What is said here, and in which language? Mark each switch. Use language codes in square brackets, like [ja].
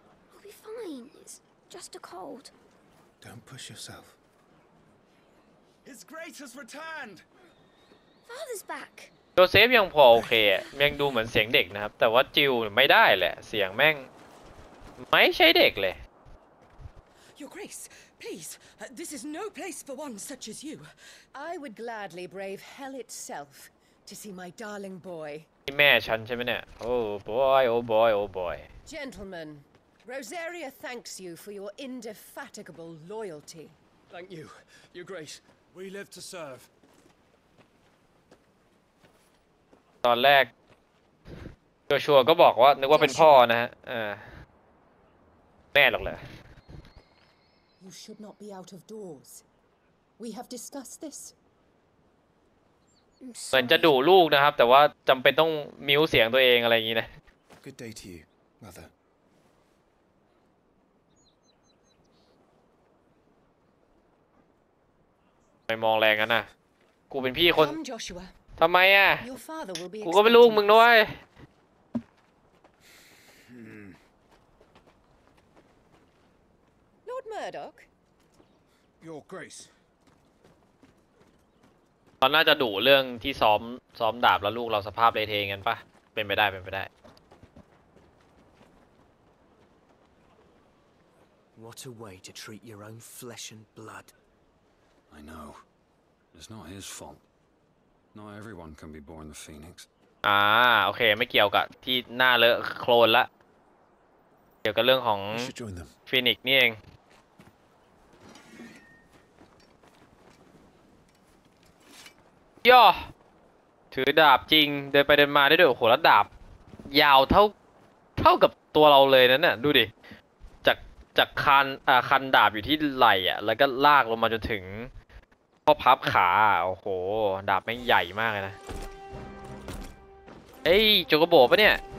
[en] I'll be fine. It's just a cold. Don't push yourself. His grace has returned. Father's back. [th] โจเซฟยังพอโอเคยังดูเหมือนเสียงเด็กนะครับแต่ว่าจิลไม่ได้แหละเสียงแม่งไม่ใช่เด็กเลย [en] Your grace, please. This is no place for one such as you. I would gladly brave hell itself to see my darling boy. [th] ที่แม่ฉันใช่ไหมเนี่ย [en] Oh boy Gentlemen Rosaria thanks you for your indefatigable loyalty Thank you Your Grace We live to serve [th] ตอนแรกโจชัวก็บอกว่านึกว่าเป็นพ่อนะฮะแม่หรอกเหร [en] อ You should not be out of doors We have discussed this [th] เหมือนจะดูลูกนะครับแต่ว่าจำเป็นต้องมิวเสียงตัวเองอะไรอย่างนี้นะ [en] Good day to you, mother. [th] ไม่มองแรงนะกูเป็นพี่คน [en] Come, Joshua. [th] ทำไมอ่ะกูก็เป็นลูกมึงด้วย [en] Lord Murdoch. Your Grace. [th] เราน่าจะดูเรื่องที่ซ้อมดาบแล้วลูกเราสภาพเลยเทงกันปะเป็นไปได้เป็นไปได้ [en] What a way to treat your own flesh and blood I know it's not his fault not everyone can be born the phoenix [th] โอเคไม่เกี่ยวกับที่หน้าเลอะโคลนละเกี่ยวกับเรื่องของฟีนิกซ์นี่เอง ย่อถือดาบจริงเดินไปเดินมาได้ด้วยโอ้โหแล้วดาบยาวเท่ากับตัวเราเลยนะเนี่ยดูดิจากคันดาบอยู่ที่ไหล่อ่ะแล้วก็ลากลงมาจนถึงข้อพับขาโอ้โหดาบแม่งใหญ่มากเลยนะเอ้ยจูกระโบปะเนี่ย